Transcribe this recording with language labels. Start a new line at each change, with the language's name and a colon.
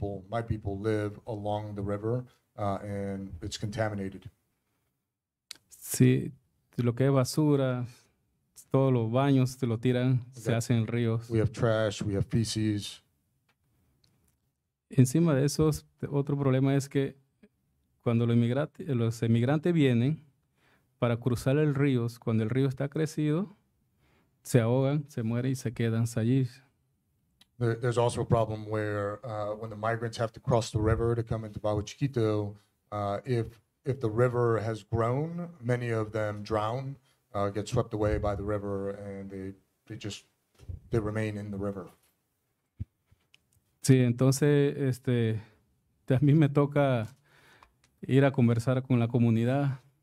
English: My people live along the river, and it's contaminated.
Spanish: Sí, lo que es basura, todos los baños te lo tiran, okay. Se hacen en ríos.
English: We have trash, we have feces.
Spanish: Encima de eso, otro problema es que cuando los emigrantes vienen para cruzar el río, cuando el río está crecido, se ahogan, se mueren y se quedan allí.
English: There's also a problem where when the migrants have to cross the river to come into Bajo Chiquito, if the river has grown, many of them drown, get swept away by the river, and they remain in the river.
Spanish: Sí, entonces a mí me toca ir a conversar con la comunidad.